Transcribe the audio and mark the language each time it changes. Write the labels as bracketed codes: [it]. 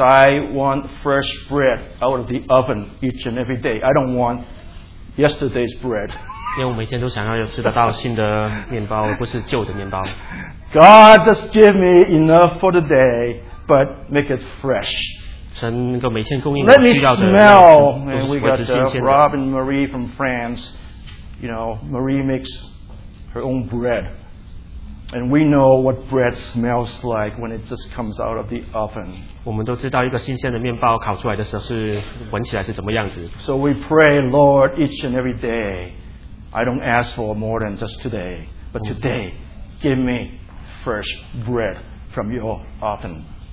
[en] I want fresh bread out of the oven each and every day. I don't want yesterday's bread. [zh] 因为我每天都想要吃得到新的面包，不是旧的面包。 [en] God just give me enough for the day, but make it fresh. Let me smell, and we got Rob and Marie from France. You know, Marie makes her own bread, and we know what bread smells like when it just comes out of the oven. [zh] 我们都知道一个新鲜的面包烤出来的时候是闻起来是怎么样子。 [en] So we pray, Lord, each and every day. I don't ask for more than just today, but today, give me fresh bread from your oven.